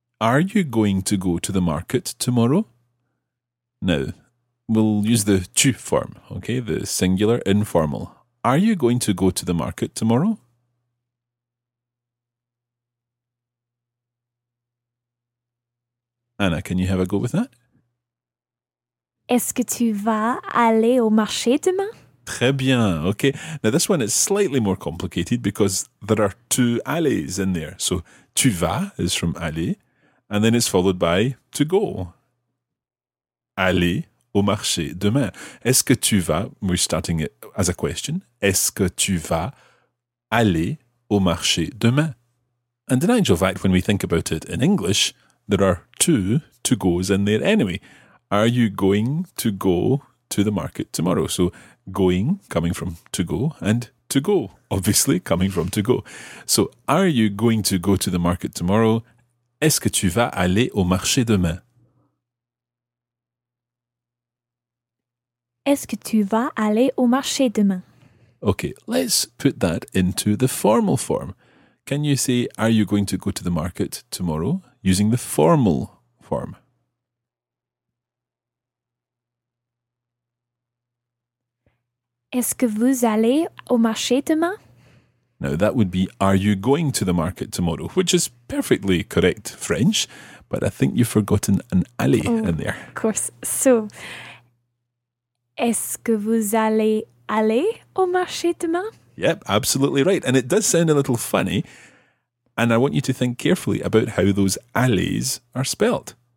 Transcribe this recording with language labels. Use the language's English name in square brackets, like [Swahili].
[English] Are you going to go to the market tomorrow? Now, we'll use the tu form, okay? The singular informal. Are you going to go to the market tomorrow? Anna, can you have a go with that? [French] Est-ce que tu vas aller au marché demain? Très bien, okay. [English] Now this one is slightly more complicated because there are two allées in there. So [French] tu vas [English] is from aller and then it's followed by to go. [French] Aller au marché demain. Est-ce que tu vas, [English] we're starting it as a question, [French] est-ce que tu vas aller au marché demain? [English] And in actual fact, when we think about it in English, there are two to goes in there anyway. Are you going to go to the market tomorrow? So going, coming from to go, and to go, obviously, coming from to go. So are you going to go to the market tomorrow? [French] Est-ce que tu vas aller au marché demain? Est-ce que tu vas aller au marché demain? [English] Okay, let's put that into the formal form. Can you say, are you going to go to the market tomorrow? Using the formal form. [French] Est-ce que vous allez au marché demain? [English] Now that would be, are you going to the market tomorrow? Which is perfectly correct French, but I think you've forgotten an aller in there. Of course. [French] So, est-ce que vous allez aller au marché demain? [English] Yep, absolutely right. And it does sound a little funny, and I want you to think carefully about how those allées are spelt.